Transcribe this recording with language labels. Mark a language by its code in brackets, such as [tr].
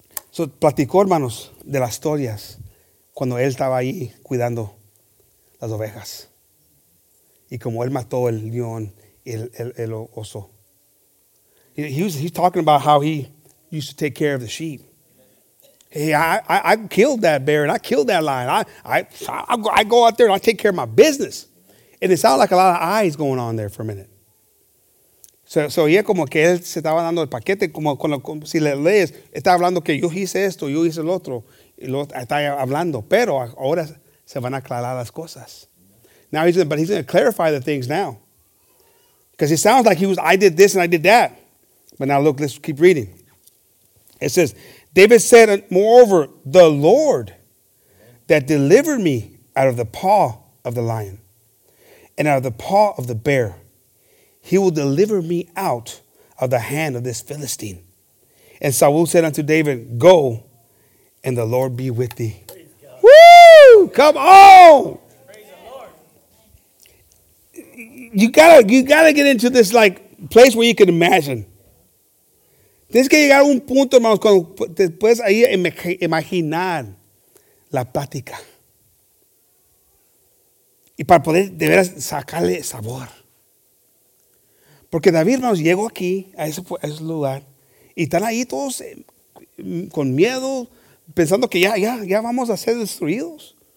[es] So, platicó, hermanos, de las historias cuando él estaba ahí cuidando las ovejas. Y como él mató el león. El oso. [en] He's talking about how he used to take care of the sheep. Hey, I killed that bear and I killed that lion. I go out there and I take care of my business. And it sounded like a lot of eyes going on there for a minute. [es] So yeah, como que él se estaba dando el paquete, como si le lees, está hablando que yo hice esto, yo hice el otro, y lo está hablando. Pero ahora se van a aclarar las cosas. [en] Now he's going to clarify the things now. Because it sounds like he was, I did this and I did that. But now look, let's keep reading. It says, David said, moreover, the Lord that delivered me out of the paw of the lion and out of the paw of the bear, he will deliver me out of the hand of this Philistine. And Saul said unto David, go and the Lord be with thee. Woo! Come on! You gotta get into this like place where you can imagine. [es] Tienes que llegar a un punto, hermanos, cuando te puedes ahí imaginar la plática. Y para poder de veras sacarle sabor. Porque David, hermanos, llegó aquí, a ese lugar, y están ahí todos con miedo, pensando que ya vamos a ser destruidos.